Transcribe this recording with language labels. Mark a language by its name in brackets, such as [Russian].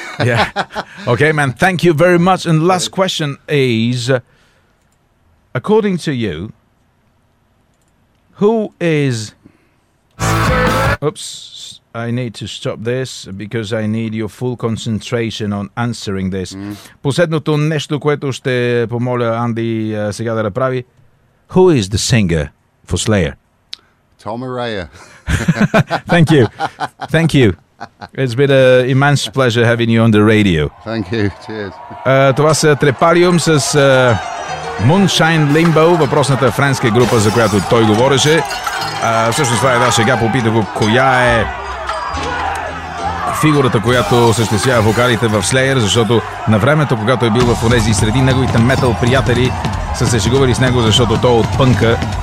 [English] Yeah. Okay, man. Thank you very much. And last question is, according to you, who is... Oops. I need to stop this because I need your full concentration on answering this. Mm. [Bulgarian] Последното нещо, което ще помоля Анди сега да направи. [English] Who is the singer for Slayer? Tom Araya. Thank you. Thank you. It's been an immense pleasure having you on the radio. Thank you. Cheers. [Bulgarian] Това са Trepalium с Moonshine Limbo, въпросната френска група, за която той говореше. Всъщност това е една шега, попитах го коя е фигурата, която съществява вокалите в Slayer, защото на времето, когато е бил в онези среди, неговите метал приятели са се шегували с него, защото той е от пънка.